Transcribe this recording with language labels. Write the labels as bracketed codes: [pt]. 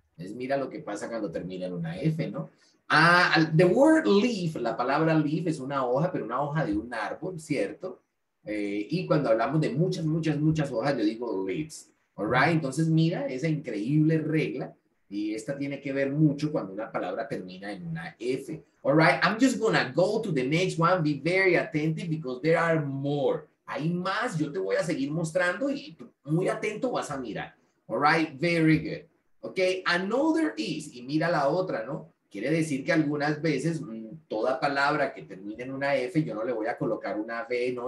[es] Es mira lo que pasa cuando termina en una F, ¿no? [en] The word leaf, [es] la palabra leaf es una hoja, pero una hoja de un árbol, ¿cierto? Y cuando hablamos de muchas, muchas, muchas hojas, yo digo leaves. All right, entonces mira esa increíble regla. Y esta tiene que ver mucho cuando una palabra termina en una F. [en] All right, I'm just gonna go to the next one. Be very attentive because there are more. [es] Hay más, yo te voy a seguir mostrando y muy atento vas a mirar. [en] All right, very good. Okay, another is, [es] y mira la otra, ¿no? Quiere decir que algunas veces toda palabra que termine en una F, yo no le voy a colocar una V, ¿no?